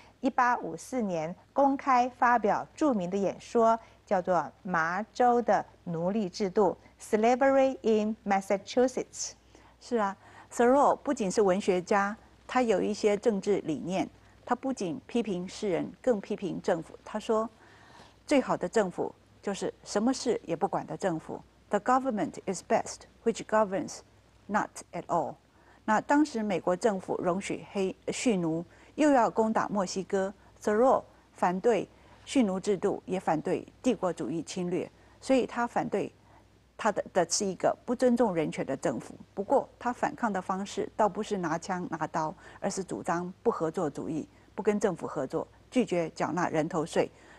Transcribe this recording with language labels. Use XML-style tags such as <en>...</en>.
<zh>1854年，公开发表著名的演说，叫做《麻州的奴隶制度》（Slavery in Massachusetts）。是啊 ，Thoreau 不仅是文学家，他有一些政治理念。他不仅批评世人，更批评政府。他说：“最好的政府就是什么事也不管的政府。</zh> <en>The government is best, which governs not at all。”</en> <zh>那当时美国政府容许黑蓄奴，又要攻打墨西哥。 Thoreau 反对蓄奴制度，也反对帝国主义侵略，所以他反对他的是一个不尊重人权的政府。不过他反抗的方式倒不是拿枪拿刀，而是主张不合作主义，不跟政府合作，拒绝缴纳人头税。</zh>